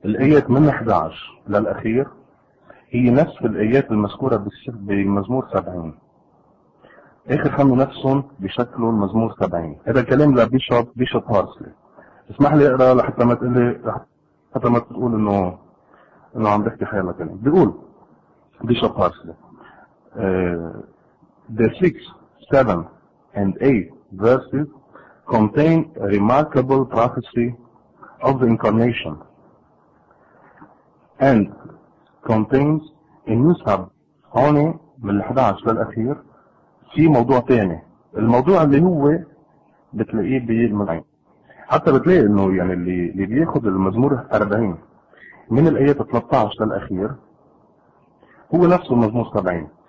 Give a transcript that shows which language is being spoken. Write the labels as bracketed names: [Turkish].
[Arabic] الآية 8 11 للأخير هي نفس الآيات المذكورة بمزمور 70 آخر خمس نفسهم بشكله المزمور 70. هذا الكلام لبيشوب هارسلي. اسمح لي أقرأ لحتى ما تقول إنه عم تحكي حيالة كلام. بيقول بيشوب هارسلي [English] the 6, 7 and 8 verses contain a remarkable prophecy of the incarnation and contains a new sub. [Arabic] هون من 11 للأخير في موضوع تاني الموضوع اللي هو بتلاقيه بالمزمور حتى بتلاقي انه يعني اللي بياخد المزمور 40 من الايات 13 للأخير هو نفسه المزمور 70.